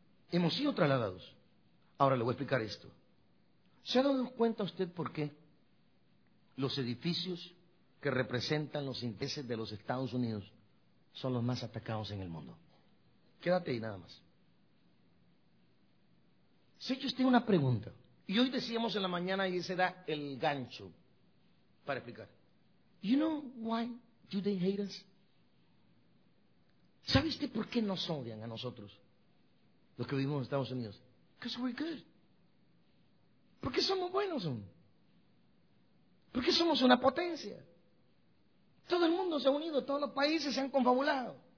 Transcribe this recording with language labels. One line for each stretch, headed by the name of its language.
Spanish: Hemos sido trasladados. Ahora le voy a explicar esto. ¿Se ha dado cuenta usted por qué los edificios que representan los intereses de los Estados Unidos son los más atacados en el mundo? Quédate ahí nada más. Se ha hecho usted una pregunta. Y hoy decíamos en la mañana, y ese era el gancho para explicar.
English: You know why do they hate us?
Spanish: ¿Sabe usted por qué nos odian a nosotros, los que vivimos en Estados Unidos?
English: Because we're good.
Spanish: Porque somos buenos. Porque somos una potencia. Todo el mundo se ha unido, todos los países se han confabulado.